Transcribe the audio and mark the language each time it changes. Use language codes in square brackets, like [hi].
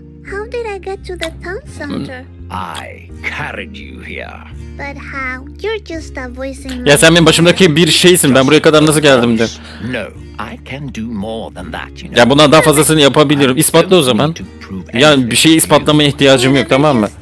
[en] How did I get to the town center? I carried you here. But how? You're just a voicing. [tr] Ya sen benim başımdaki bir şeysin. Ben buraya kadar nasıl geldim de. [en] No, I can do more than that, you know. [tr] Ya bundan daha fazlasını yapabiliyorum. İspatla o zaman. Ya bir şey ispatlamaya ihtiyacım yok, tamam mı?